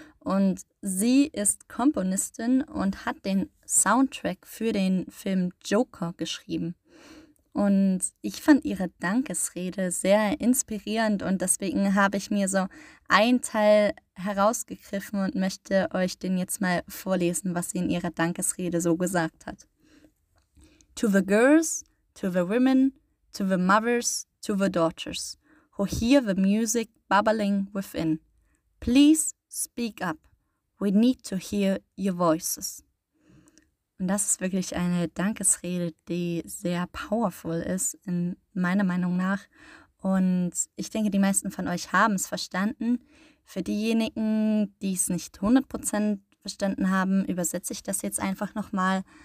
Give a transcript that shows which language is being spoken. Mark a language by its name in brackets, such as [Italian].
[German] Und sie ist Komponistin und hat den Soundtrack für den Film Joker geschrieben. Und ich fand ihre Dankesrede sehr inspirierend und deswegen habe ich mir so einen Teil herausgegriffen und möchte euch den jetzt mal vorlesen, was sie in ihrer Dankesrede so gesagt hat. [English] To the girls, to the women, to the mothers, to the daughters, who hear the music bubbling within, please speak up. We need to hear your voices. [German] Und das ist wirklich eine Dankesrede, die sehr powerful ist, in meiner Meinung nach. Und ich denke, die meisten von euch haben es verstanden. Für diejenigen, die es nicht 100% verstanden haben, übersetze ich das jetzt einfach nochmal.